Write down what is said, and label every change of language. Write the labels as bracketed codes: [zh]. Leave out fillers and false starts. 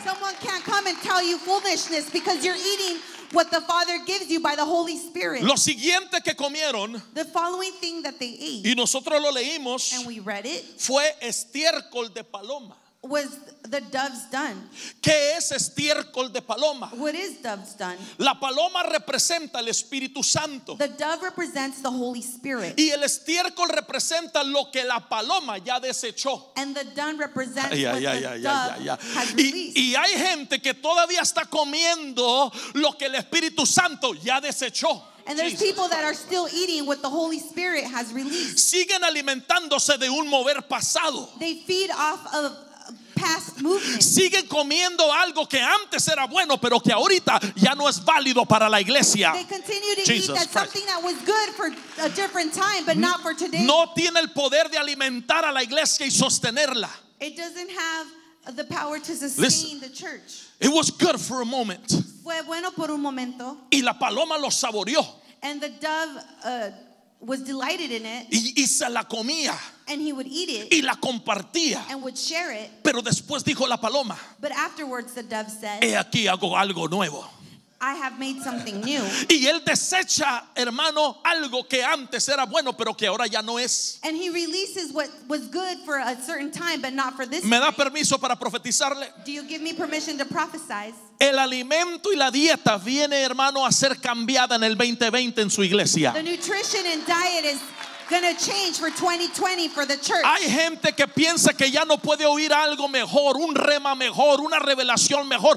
[en] Someone can't come and tell you foolishness because you're eating what the Father gives you by the Holy Spirit. [es] Lo siguiente que comieron, [en] the following thing that they ate, [es] y nosotros lo leímos, [en] and we read it, [es] fue estiércol de paloma. [en] Was the dove's dung? [es] ¿Qué es estiércol de paloma? [en] What is dove's dung? [es] La paloma representa el Espíritu Santo. [en] The dove represents the Holy Spirit. [es] Y el estiércol representa lo que la paloma ya desechó. [en] And the dung represents what the dove has released. [es] Y hay gente que todavía está comiendo lo que el Espíritu Santo ya desechó. [en] And there's people that are still eating what the Holy Spirit has released. [es] Siguen alimentándose de un mover pasado. [en] They feed off of past movement. [es] Siguen comiendo algo que antes era bueno, pero que ahorita ya no es válido para la iglesia. [en] They continue to eat something that was good for a different time, but not for today. [es] No tiene el poder de alimentar a la iglesia y sostenerla. [en] It doesn't have the power to sustain the church. It was good for a moment. [es] Fue bueno por un momento. Y la paloma lo saboreó. [en] And the dove was delighted in it. [es] Y se la comía. [en] And he would eat it. [es] Y la compartía. [en] And would share it. [es] Pero después dijo la paloma. [en] But afterwards the dove said, [es] he aquí hago algo nuevo. [en] I have made something new. [es] Y él desecha, hermano, algo que antes era bueno, pero que ahora ya no es. [en] And he releases what was good for a certain time, but not for this. [es] ¿Me da permiso para profetizarle? [en] Do you give me permission to prophesize? [es] El alimento y la dieta viene, hermano, a ser cambiada en el 2020 en su iglesia. [en] The nutrition and diet is gonna change for 2020 for the church. [es] Hay gente que piensa que ya no puede oír algo mejor, un rema mejor, una revelación mejor.